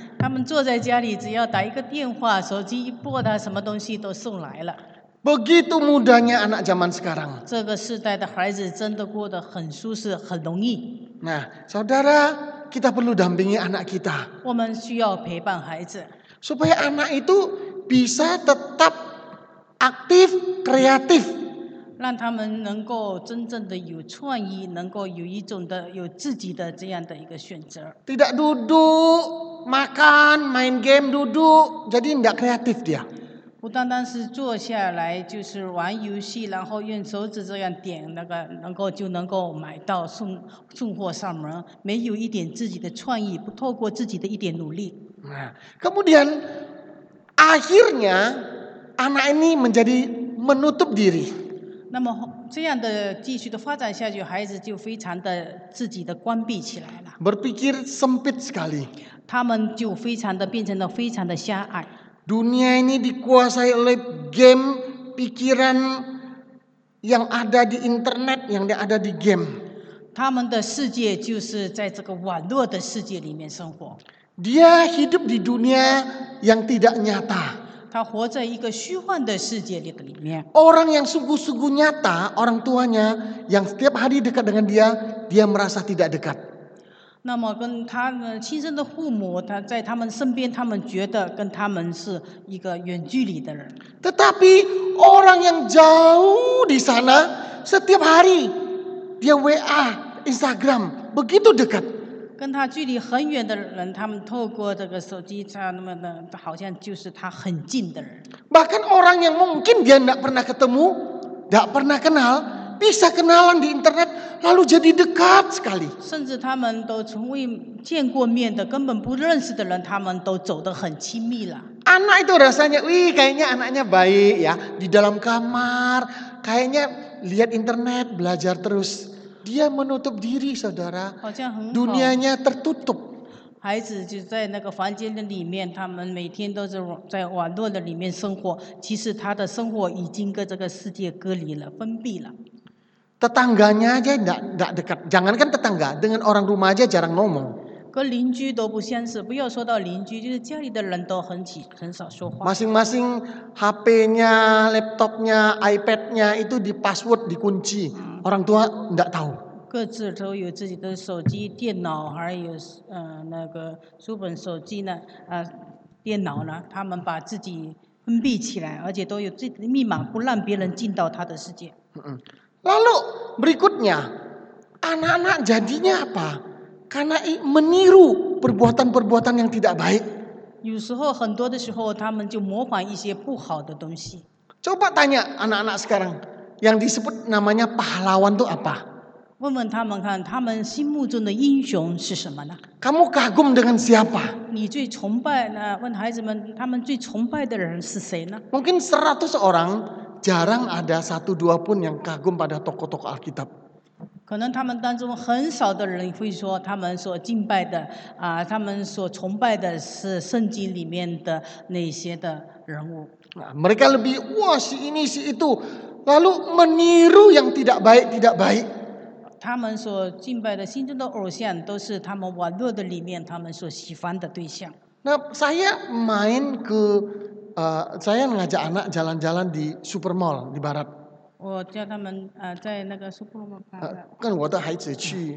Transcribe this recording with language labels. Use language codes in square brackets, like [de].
[zh] 他们坐在家里只要打一个电话，手机一拨他什么东西都送来了。 [id] Begitu mudahnya anak zaman sekarang. [zh] 这个时代的孩子真的过得很舒适，很容易。 [id] Nah, saudara, kita perlu dampingi anak kita. [zh] 我们需要陪伴孩子。 [id] Supaya anak itu bisa tetap aktif, kreatif. [zh] 让他们能够真正的有创意，能够有一种的有自己的这样的一个选择。 [id] Tidak duduk makan main game duduk, jadi tidak kreatif dia。 [zh] 不单单是坐下来就是玩游戏，然后用手指这样点那个，能够就能够买到送货上门，没有一点自己的创意，不透过自己的一点努力。 [id] Kemudian akhirnya anak ini menjadi menutup diri。 [zh] 那么这样的继续的发展下去，孩子就非常的自己的关闭起来了。 [id] Berpikir sempit sekali。 [zh] 他们就非常的变成了非常的狭隘。 [id] Dunia ini dikuasai oleh game pikiran yang ada di internet, yang ada di game. [zh] 他们的世界就是在这个网络的世界里面生活。 [id] Dia hidup di dunia yang tidak nyata. [zh] 他活在一个虚幻的世界里面。 [id] Orang yang sungguh-sungguh nyata, orang tuanya yang setiap hari dekat dengan dia, dia merasa tidak dekat. [zh] 那么跟他们亲生的父母，他在他们身边，他们觉得跟他们是一个远距离的人。 [id] Tetapi orang yang jauh di sana, setiap hari dia WA, Instagram, begitu dekat。 [zh] 跟他距离很远的人，他们透过这个手机，他那么的，好像就是他很近的人。 [id] Bahkan orang yang mungkin dia tidak pernah ketemu, tidak pernah kenal. Bisa kenalan di internet, lalu jadi dekat sekali. [zh] 甚至他们都从未见过面的，根本不认识的人，他们都走得很亲密了。 [id] Anak itu rasanya, wih, kayaknya anaknya baik ya, di dalam kamar, kayaknya lihat internet, belajar terus. Dia menutup diri, saudara. [zh] 好像很好。 [id] Dunianya tertutup. [zh] 孩子就在那个房间的里面，他们每天都是在网络的里面生活，其实他的生活已经跟这个世界隔离了，封闭了。 [id] Tetangganya aja enggak dekat, jangankan tetangga, dengan orang rumah aja jarang ngomong. [zh] 跟邻居都不相识，不要说到邻居，就是家里的人都很少说话。 [id] Masing-masing HP-nya, laptop-nya, iPad-nya itu di password, dikunci, orang tua enggak tahu. [zh] 各自都有自己的手机、电脑，还有那个书本、手机呢，电脑呢，他们把自己封闭起来，而且都有自己的密码，不让别人进到他的世界。嗯嗯。 [id] Lalu berikutnya, anak-anak jadinya apa? Karena meniru perbuatan-perbuatan yang tidak baik. [zh] 有时候，很多的时候，他们就模仿一些不好的东西。 [id] Coba tanya anak-anak sekarang, yang disebut namanya pahlawan itu apa? [zh] 问问他们看，他们心目中的英雄是什么呢 [id] ？Kamu kagum dengan siapa？ [zh] 你最崇拜呢？问孩子们，他们最崇拜的人是谁呢 [id] ？Mungkin seratus orang jarang ada satu dua pun yang kagum pada tokoh-tokoh Alkitab。 [zh] 可能他们当中很少的人会说他们所敬拜的他们所崇拜的是圣经里面的那些的人物。 [id] Mereka lebih wah si ini si itu, lalu meniru yang tidak baik tidak baik。 [zh] 他们所敬拜的心中的偶像都是他们网络的里面他们所喜欢的对象。 [id] 那saya main ke saya ngajak anak jalan-jalan di super mall di barat。 [zh] 我叫他们在那个 super mall。跟我的孩子去。